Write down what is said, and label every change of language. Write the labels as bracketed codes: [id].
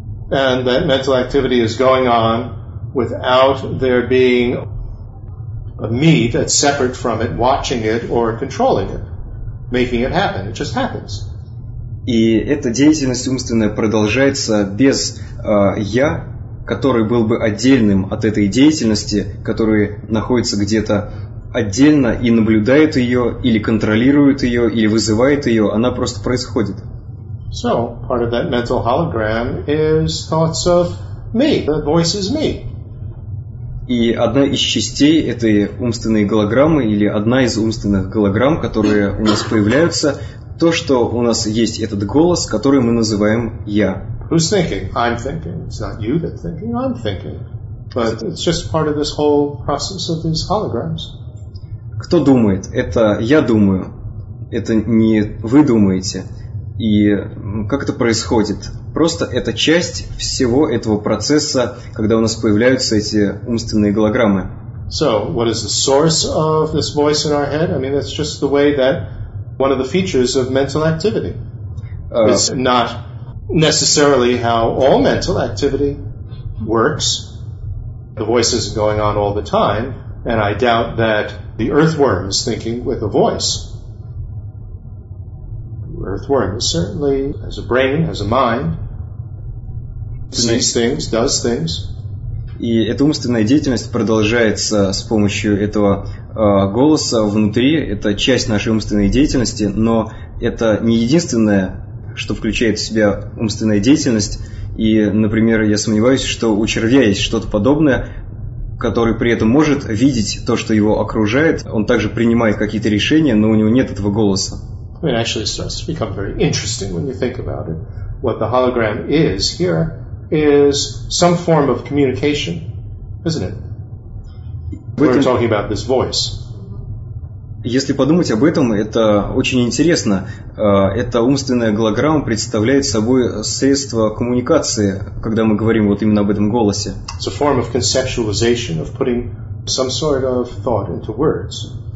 [en] And that mental activity is going on without there being a me that's separate from it, watching it or controlling it, making it happen. It just happens. [ru] И эта деятельность умственная продолжается без я, который был бы отдельным от этой деятельности, который находится где-то отдельно и наблюдает ее, или контролирует ее, или вызывает ее, она просто происходит. [en] So, part of that mental hologram is thoughts of me. The voice is me. [ru] И одна из частей этой умственной голограммы, или одна из умственных голограмм, которые у нас появляются, то, что у нас есть этот голос, который мы называем «я». [en] Who's thinking? I'm thinking. It's not you that's thinking, I'm thinking. But it's just part of this whole process of these holograms. [ru] Кто думает? Это я думаю. Это не вы думаете. И как это происходит? Просто это часть всего этого процесса, когда у нас появляются эти умственные голограммы. [en] So, what is the source of this voice in our head? I mean, that's just the way that one of the features of mental activity. It's not necessarily how all mental activity works. The voice isn't going on all the time, and I doubt that the earthworm is thinking with a voice. Earthworm certainly has a brain, has a mind, sees things, does things. [ru] И эта умственная деятельность продолжается с помощью этого голоса внутри. Это часть нашей умственной деятельности, но это не единственное, что включает в себя умственная деятельность. И, например, я сомневаюсь, что у червя есть что-то подобное, который при этом может видеть то, что его окружает. Он также принимает какие-то решения, но у него нет этого голоса. [en] I mean, actually, it starts to become very interesting when you think about it. What the hologram is here is some form of communication, isn't it? We're talking about this voice. [ru] Если подумать об этом, это очень интересно. Эта умственная голограмма представляет собой средство коммуникации, когда мы говорим вот именно об этом голосе. [en] It's a form of conceptualization, of putting some sort of thought into words.